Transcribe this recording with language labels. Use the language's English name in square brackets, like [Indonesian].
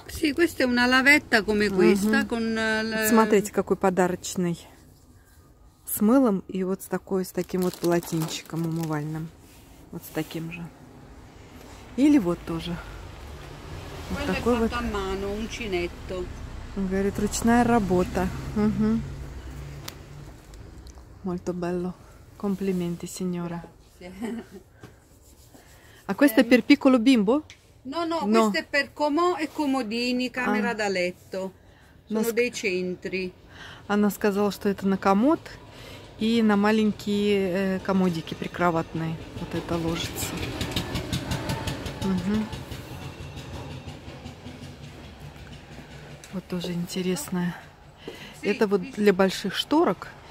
[Italian] Sì, questa è una lavetta come questa. [Russian] Смотрите, какой подарочный. с мылом и вот с такой, с таким вот полотенчиком умывальным. Вот с таким же. Или вот тоже. Вот такой вот. [Italian] Uncinetto. [Russian] Он говорит, ручная работа. Угу. [Italian] Molto bello. Complimenti, signora. А questo è per piccolo bimbo? No, no, no, questo è per comò e comodini, camera da letto. Sono dei centri. [Russian] Она сказала, что это на комод и на маленькие комодики прикроватные. Вот это ложится. Угу. Вот тоже интересное. Sí, это вот sí, для больших шторок.